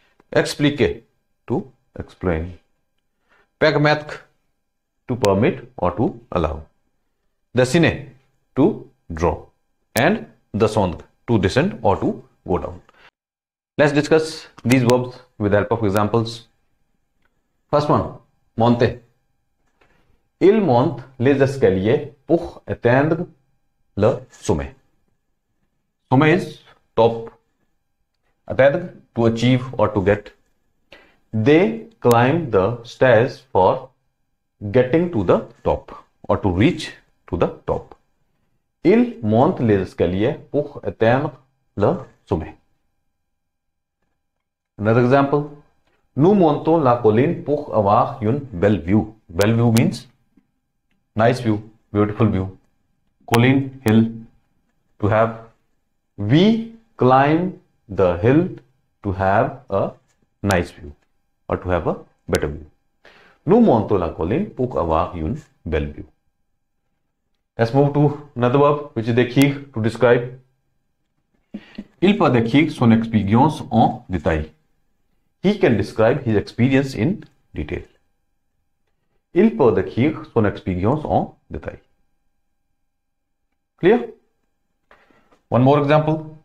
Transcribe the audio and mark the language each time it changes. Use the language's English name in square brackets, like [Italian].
[English] Expliquer, to explain. Permettre, to permit or to allow. Dessiner, to draw. And descendre, to descend or to go down. Let's discuss these verbs with the help of examples. First one, monter. [French] Il monte les escaliers pour atteindre le sommet. [English] Sommet is top. Atteindre, to achieve or to get. They climb the stairs for getting to the top or to reach to the top. [French] Il monte les escaliers pour atteindre le sommet. [English] Another example. [French] Nous montons la colline pour avoir une belle vue. [English] Belle vue means nice view, beautiful view. Colline, hill, to have. We climb the hill to have a nice view or to have a better view. [French] Nous montons la colline pour avoir une belle vue. [English] Let's move to another verb, which is décrire, to describe. [French] Il peut décrire son expérience en détail. [English] He can describe his experience in detail. [French] Il peut décrire son expérience en détail. [English] Clear? One more example.